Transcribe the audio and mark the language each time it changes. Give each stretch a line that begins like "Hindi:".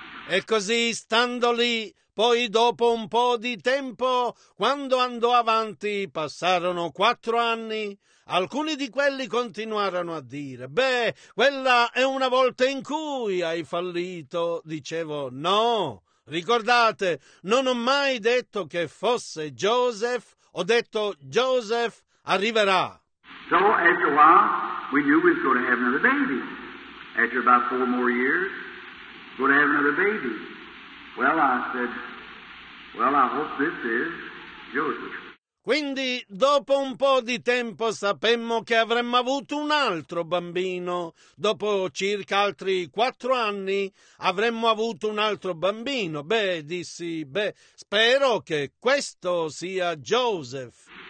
Italian: E così, stando lì, poi dopo un po' di tempo, quando andò avanti, passarono 4 anni, alcuni di quelli continuarono a dire, beh, quella è una volta in cui hai fallito. Dicevo, no, ricordate, non ho mai detto che fosse Joseph, ho detto Joseph arriverà.
English: So, after a while, we knew we were going to have another baby. After about 4 more years, going to have another baby. Well, I said, well, I hope this is Joseph.
Italian: Quindi, dopo un po' di tempo, sapemmo che avremmo avuto un altro bambino. Dopo circa altri 4 anni, avremmo avuto un altro bambino. Beh, dissi, beh, spero che questo sia Joseph.